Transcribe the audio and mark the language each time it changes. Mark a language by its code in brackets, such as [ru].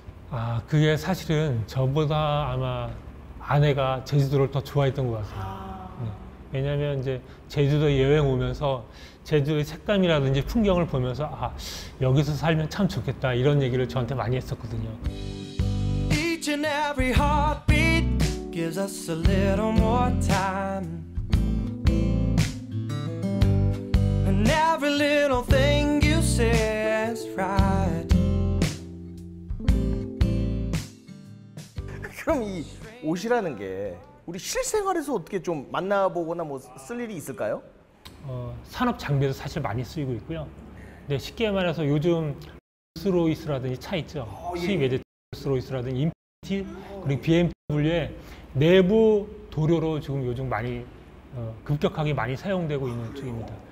[ko] 아, 그게 사실은 저보다 아마 아내가 제주도를 더 좋아했던 것 같아요. 왜냐하면 이제 제주도 여행 오면서 제주도의 색감이라든지 풍경을 보면서 아, 여기서 살면 참 좋겠다 이런 얘기를 저한테 많이 했었거든요. [en] Each and every heartbeat gives us a little more time. And every little thing you say is right. [ko] 그럼 이 옷이라는 게 우리 실생활에서 어떻게 좀 만나보거나 뭐 쓸 일이 있을까요? 산업 장비에서 사실 많이 쓰이고 있고요. 근데 쉽게 말해서 요즘 롤스로이스라든지 차 있죠? 시위에 롤스로이스라든지 인피니티 그리고 BMW의 내부 도료로 지금 요즘 많이 급격하게 많이 사용되고 있는 쪽입니다.